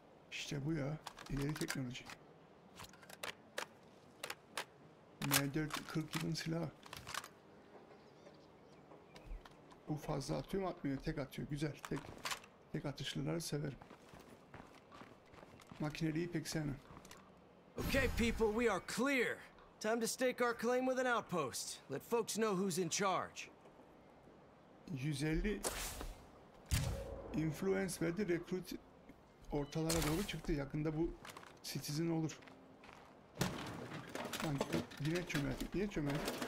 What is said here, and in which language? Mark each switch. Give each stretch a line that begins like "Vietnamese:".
Turkish: İşte bu ya, ileri teknoloji. M4 40 yılın silahı. Bu fazla atıyor mu atmıyor? Tek atıyor. Güzel. Tek atışlıları severim. Makineliği pek sevmem.
English: Okay people, we are clear. Time to stake our claim with an outpost. Let folks know who's in charge.
Turkish: 150 influence verdi. Recruit ortalara doğru çıktı. Yakında bu citizen olur. Yine çömeldik, yine çömeldik.